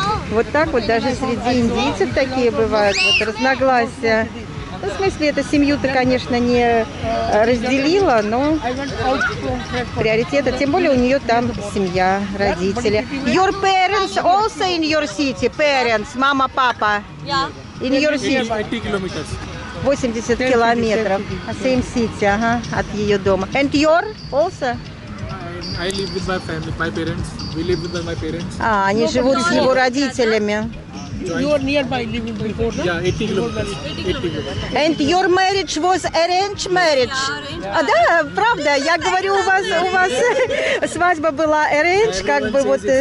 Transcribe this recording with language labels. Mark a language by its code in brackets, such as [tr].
[ru] Вот так вот даже среди индийцев такие бывают, вот разногласия. Ну, в смысле, эта семью-то, конечно, не разделила, но приоритеты. Тем более у нее там семья, родители. [en] Your parents also in your city? Parents, [ru] мама, папа? [en] Yeah. In your city? 80 [ru] километров. [en] Same city, [ru] ага, от ее дома. [en] And your also? I live with my family, my parents. We live with my parents. [ru] А, они живут с его родителями. [en] And your marriage was arranged marriage? [ru] А, да, правда, я говорю, у вас свадьба была arranged, как бы вот.